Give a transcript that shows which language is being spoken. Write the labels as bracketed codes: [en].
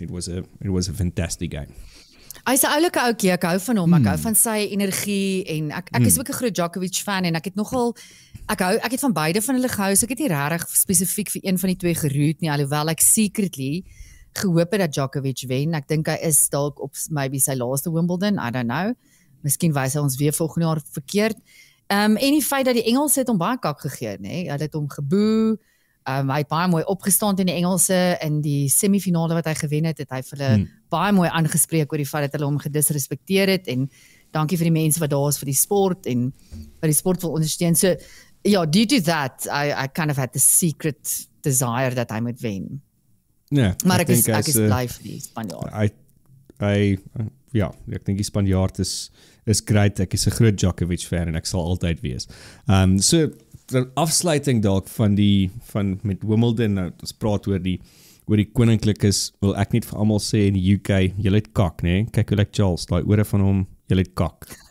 [en] It was a fantastic game. [af] Hy is 'n oulike ouetjie, ek hou van hom, ek hou van sy energie, en ek is ook 'n groot Djokovic fan, en ek het van beide van hulle gehou, so ek het nie rarig spesifiek vir een van die twee geroot nie, alhoewel ek secretly gehoop het dat Djokovic wen. Ek dink hy is dalk op maybe sy laaste Wimbledon, I don't know. Miskien wys hy ons weer volgende jaar verkeerd. En die feit dat die Engelse het hom baie kak gegee, nê? Hulle het hom geboe. Hy het baie mooi opgestaan in die Engelse in die semifinale wat hy gewen het, het hy vir hulle baie mooi aangespreek oor die feit dat hulle hom gedisrespekteer het, en dankie vir die mense wat daar is vir die sport en wat die sport wil ondersteun. [en] So ja, due to that, I kind of had the secret desire that I would win. [af] Ja, maar ek is bly vir die Spanjaard. Ek dink die Spanjaard is great. Ek is 'n groot Djokovic fan en ek sal altyd wees. So afsluiting dalk van met Wimbledon, nou, ons praat oor die koninklikes, wil ek net vir almal sê in die UK, julle het kak, nê? Kyk hoe like Charles, daai ore van hom, julle het kak.